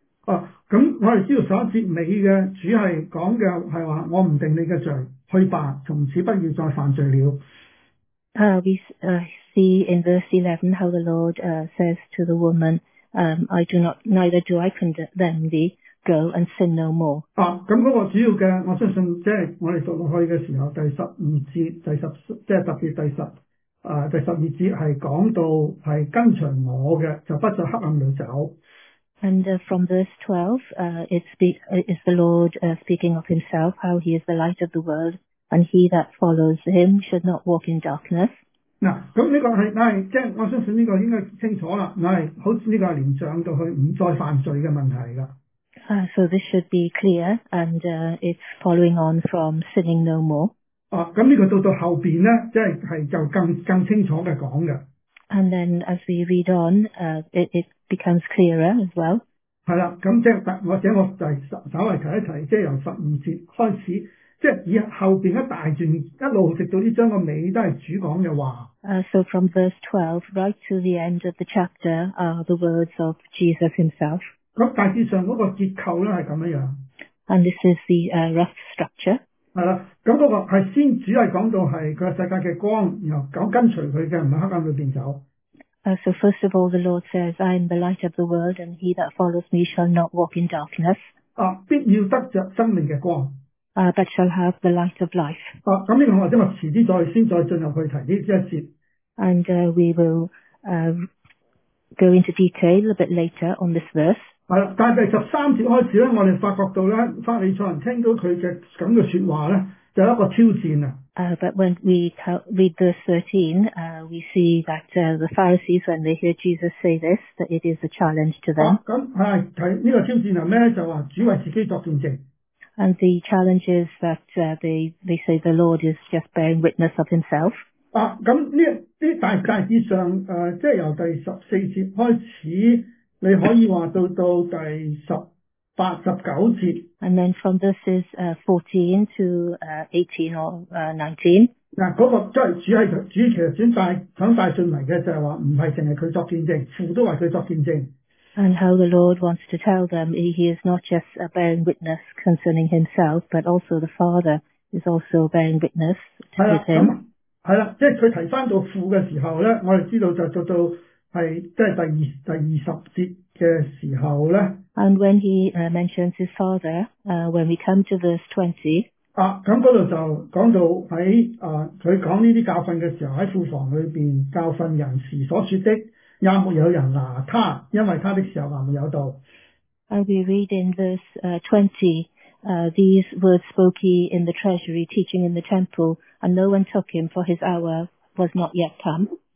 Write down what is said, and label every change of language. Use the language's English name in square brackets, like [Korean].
[Cantonese] 咁我哋知道十一节尾嘅主系讲嘅系话，我唔定你嘅罪，去吧，从此不要再犯罪了。 [English] We see in verse 11 how the Lord says to the woman, I do not, neither do I condemn thee, go and sin no more. [Cantonese] 咁嗰个主要嘅，我相信即系我哋读落去嘅时候，第十五节、第十，即系特别第十，第十二节系讲到系跟随我嘅，就不在黑暗里走。 [English] And from verse 12, it's the Lord speaking of himself, how he is the light of the world, and he that follows him should not walk in darkness. [Cantonese] 咁呢个即系我相信呢个应该清楚啦，好似呢个系联想到去唔再犯罪嘅问题噶。 [English] So this should be clear, and it's following on from sinning no more. [Cantonese] 咁呢个到后边咧，即系就更清楚嘅讲嘅。 [English] And then as we read on, it becomes clearer as well. [Cantonese] 系啦，咁即系或者我就系稍微提一提，即系由十五节开始，即系以后边一大段一路直到呢章个尾都系主讲嘅话。 [English] So from verse 12 right to the end of the chapter are the words of Jesus himself. [Cantonese] 咁大致上嗰个结构咧系咁样样。 [English] And this is the rough structure. [Cantonese] 系啦，咁嗰个系先主系讲到系个世界嘅光，然后讲跟随佢嘅唔喺黑暗里边走。 [English] So first of all, the Lord says, "I am the light of the world, and he that follows me shall not walk in darkness." [Cantonese] 必要得着生命嘅光。 [English] But shall have the light of life. [Cantonese] 咁呢个或者话迟啲再先再进入去提呢一节。 [English] And we will go into detail a bit later on this verse. [Cantonese] 系啦，但系第十三节开始咧，我哋发觉到咧，法利赛人听到佢嘅咁嘅说话咧，就有一个挑战啊。 [English] But when we read verse 13, we see that the Pharisees, when they hear Jesus say this, that it is a challenge to them. [Cantonese] 咁系睇呢个挑战系咩咧？就话主为自己作见证。 [English] And the challenge is that they say the Lord is just bearing witness of himself. [Cantonese] 咁呢大致上即系由第十四节开始。你可以话到第十八、十九节。 [English] And then from verses 14 to 18 or 19. [Cantonese] 嗰个主其实想带进嚟嘅就系话，唔系净系佢作见证，父都为佢作见证。 [English] And how the Lord wants to tell them he is not just bearing witness concerning himself, but also the Father is also bearing witness to him. [Cantonese] 系啦，即系佢提翻到父嘅时候咧，我哋知道就到。系，即系第二十节嘅时候咧。 [English] And when he mentions his father, when we come to verse 20. [Cantonese] 咁嗰度就讲到喺佢讲呢啲教训嘅时候，喺库房里边教训人时所说的，也没有人拿他，因为他的时候还没有到。 We read in verse 20, these words spoke he in the treasury, teaching in the temple, and no one took him, for his hour was not yet come.